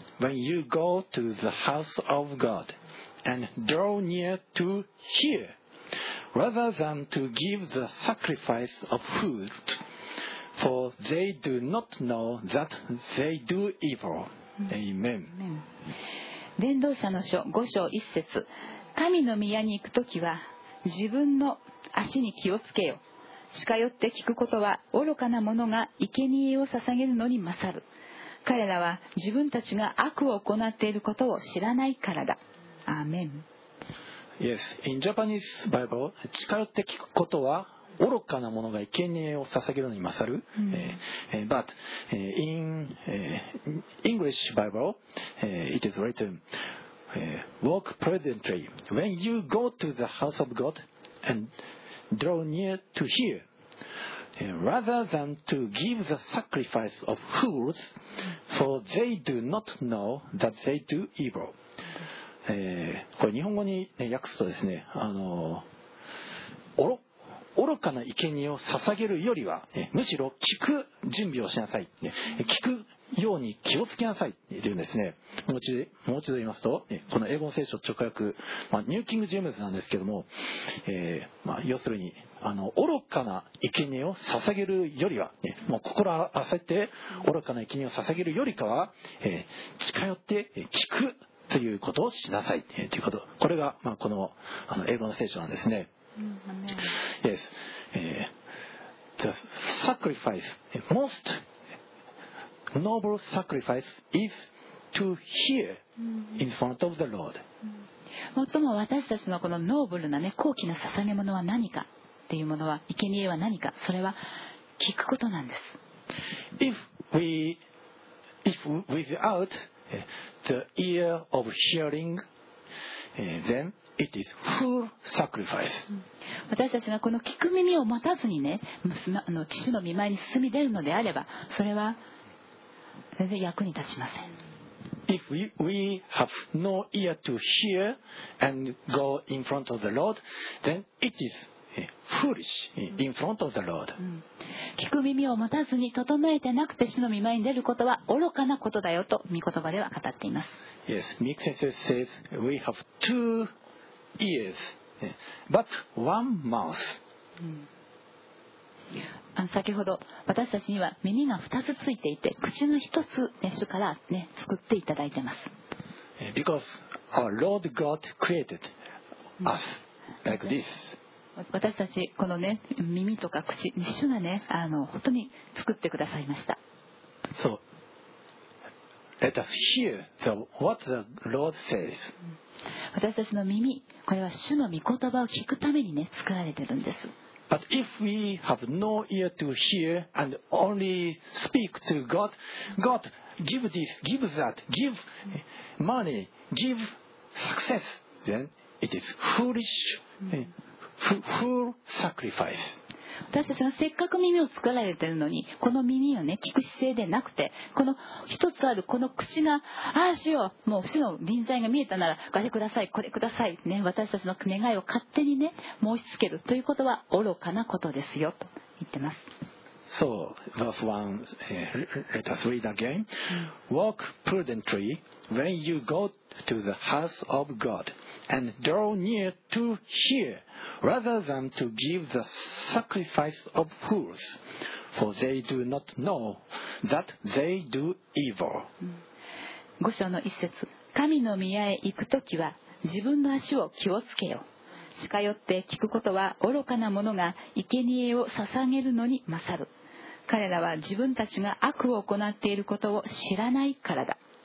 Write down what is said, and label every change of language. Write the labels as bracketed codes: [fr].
[en] When you go to the house of God and draw near to hear, rather than to give the sacrifice of food, for they do not know that they do evil. Amen. [ja] 伝道者の書五章一節。神の宮に行くときは自分の足に気をつけよ。近寄って聞くことは愚かな者が生贄を捧げるのに勝る。彼らは自分たちが悪を行っていることを知らないからだ。アーメン。 [en] Yes, in Japanese Bible, [ja] 近寄って聞くことは愚かな者が生贄を捧げるのに勝る。 [en] But in English Bible, it is written, walk prudently when you go to the house of God and draw near to hear. Rather than to give the sacrifice of fools, for they do not know that they do evil. [ja] これ日本語に、ね、訳すとですね、愚かな生贄を捧げるよりは、むしろ聞く準備をしなさい、聞くように気をつけなさいっていうんですね。もう一度言いますと、この英語の聖書直訳、ニューキングジェームズなんですけども、要するに愚かな生贄を捧げるよりは、もう心焦って愚かな生贄を捧げるよりかは、近寄って聞くということをしなさい、ということ。これが、この英語の聖書なんですね。 [en] Yes, the sacrifice most noble sacrifice is to hear in front of the Lord. [ja] 最も私たちのこのノーブルなね、高貴な捧げ物は何かっていうものは、生贄は何か、それは聞くことなんです。 [en] If without the ear of hearing, then it is full sacrifice. [ja] 私たちがこの聞く耳を待たずにね、主の御前に進み出るのであれば、それは全然役に立ちません。 [en] If we have no ear to hear and go in front of the Lord, then it is foolish in front of the Lord. [ja] 聞く耳を持たずに整えてなくて主の御前に出ることは愚かなことだよと御言葉では語っています。 [en] Yes, Mick先生 says we have two ears, but one mouth. [ja] 先ほど私たちには耳が2つついていて、口の1つ、ね、主から、ね、作っていただいてます。 [en] Because our Lord God created us like this. [ja] 私たちこの、ね、耳とか口、主が、ね、本当に作ってくださいました。 [en] So let us hear what the Lord says. [ja] 私たちの耳、これは主の御言葉を聞くために、ね、作られてるんです。 [en] But if we have no ear to hear and only speak to God, God give this, give that, give money, give success, then it is foolish, full sacrifice. [ja] 私たちがせっかく耳を作られているのに、この耳をね聞く姿勢でなくて、この一つあるこの口が、ああしよう、もう主の臨在が見えたなら、あれください、これくださいね、私たちの願いを勝手にね申し付けるということは愚かなことですよと言ってます。 [en] So verse 1, let us read again. Walk prudently when you go to the house of God, and draw near to hear rather than to give the sacrifice of fools, for they do not know that they do evil. [ja] 五章の一節、神の宮へ行くときは自分の足を気をつけよ。近寄って聞くことは愚かな者が生贄を捧げるのに勝る。彼らは自分たちが悪を行っていることを知らないからだ。